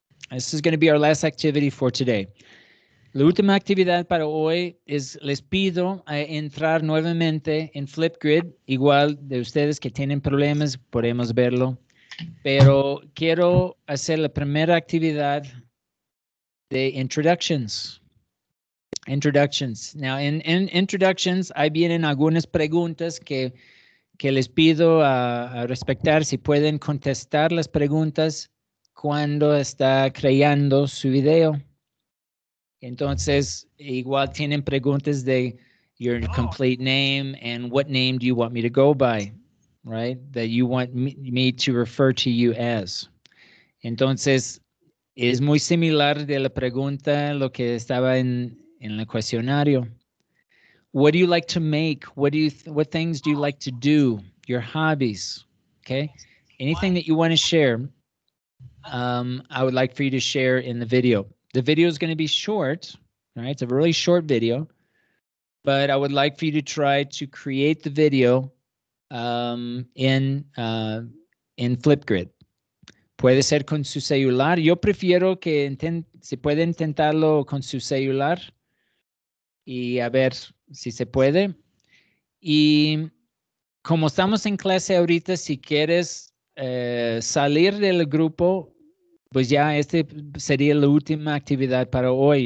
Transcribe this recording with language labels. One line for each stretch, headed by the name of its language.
English: This is going to be our last activity for today.
Spanish: La última actividad para hoy es les pido a entrar nuevamente en Flipgrid. Igual de ustedes que tienen problemas, podemos verlo. Pero quiero hacer la primera actividad de introductions. Introductions.
English: Now, in introductions,
Spanish: ahí vienen algunas preguntas que les pido a respetar. Si pueden contestar las preguntas cuando está creando su video. Entonces, igual tienen preguntas de
English: your complete name and what name do you want me to go by, right? That you want me to refer to you as.
Spanish: Entonces, es muy similar de la pregunta lo que estaba en el cuestionario.
English: What do you like to make? What do you what things do you like to do? Your hobbies, okay? Anything that you want to share, I would like for you to share in the video. The video is going to be short, all right? It's a really short video, but I would like for you to try to create the video in Flipgrid.
Spanish: Puede ser con su celular. Yo prefiero que se puede intentarlo con su celular y a ver si se puede. Y como estamos en clase ahorita, si quieres salir del grupo, pues ya este sería la última actividad para hoy.